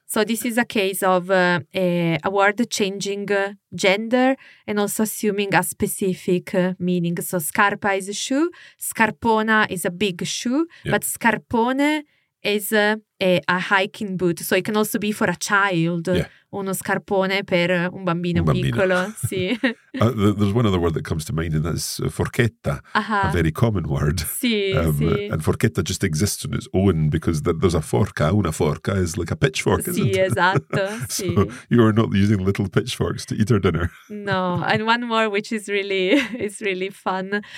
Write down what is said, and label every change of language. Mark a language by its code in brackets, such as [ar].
[en] So this is a case of a word changing gender and also assuming a specific meaning. So scarpa is a shoe, scarpona is a big shoe, but scarpone is a hiking boot. So it can also be for a child, [it] uno scarpone per un bambino, piccolo. Sì. [en] There's one other word that comes to mind, and that's forchetta, a very common word. [it] Sì, [en] And forchetta just exists on its own because there's a forca. Una forca is like a pitchfork, isn't it? [it] Sì, esatto. [en] So [it] sì. [en] You are not using little pitchforks to eat our dinner. No, and one more which is really, it's really fun.